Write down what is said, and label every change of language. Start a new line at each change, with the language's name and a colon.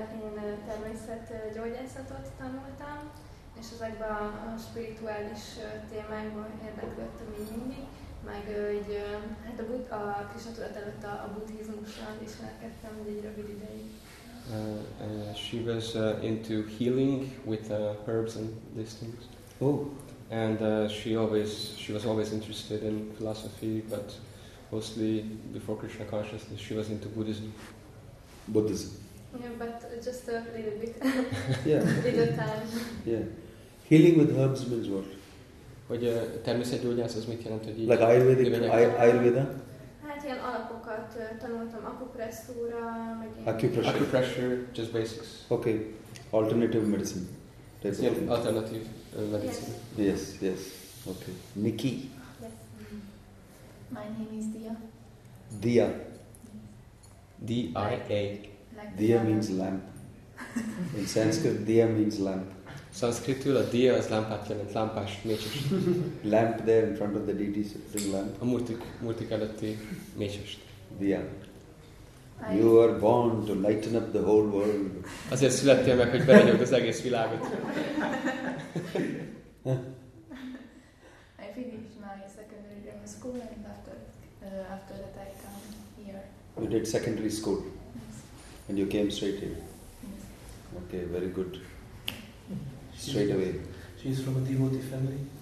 Hungarian: Én természetgyógyászatot tanultam, és ezekben a spirituális témákban érdeklődtem így mindig, meg így, hát a buddha, a Krisna tudat előtt a buddhizmussal ismerkedtem egy rövid ideig.
English: She was into healing with herbs and these things. Oh. And she was always interested in philosophy, but mostly before Krishna consciousness, she was into Buddhism. Buddhism. Yeah, but just a little bit. Yeah. Little time. Yeah. Healing with herbs means what?
Hungarian: Hogy természetgyógyász az mit jelent, hogy így?
English: Like Ayurveda.
Hungarian: Hát ilyen alapokat tanultam, akupresszúra, meg ilyen...
English: Acupressure. Acupressure, just basics. Okay, alternative medicine. Yes, alternative medicine. Yes, yes, okay. Nikki. Yes. My name is Dia. Dia. D-I-A. Like Dia means lamp. In Sanskrit, Dia means lamp.
Hungarian: Sanskritul a Dia az lámpát jelent, lámpás, mécses.
English: Lamp there in front of the deities, the lamp.
Hungarian: A murtik előtti mécses.
English: Dia. You are born to lighten up the whole world.
Hungarian: Azért születtél meg, hogy beragyogd az egész világot.
English: I finished my secondary grammar school and after that I come here. You did secondary school? Yes. And you came straight here? Yes. Okay, very good. Straight away. She is from a devotee family.